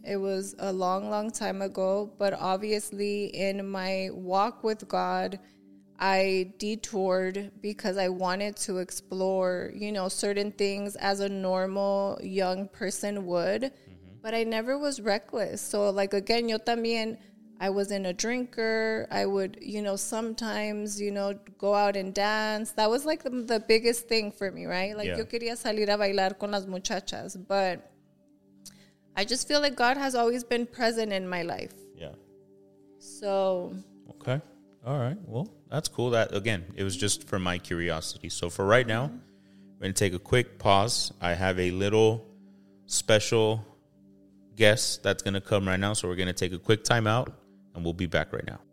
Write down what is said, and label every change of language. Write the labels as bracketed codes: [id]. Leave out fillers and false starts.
[en] It was a long, long time ago. But obviously, in my walk with God, I detoured because I wanted to explore, you know, certain things as a normal young person would. Mm-hmm. But I never was reckless. So, like, again, [es] yo también, [en] I wasn't a drinker. I would, you know, sometimes, you know, go out and dance. That was like the biggest thing for me, right? Like, yeah. [es] Yo quería salir a bailar con las muchachas. [en] But I just feel like God has always been present in my life. Yeah. So. Okay. All right. Well, that's cool. That, again, it was just for my curiosity. So for right now, I'm going to take a quick pause. I have a little special guest that's going to come right now. So we're going to take a quick time out. And we'll be back right now.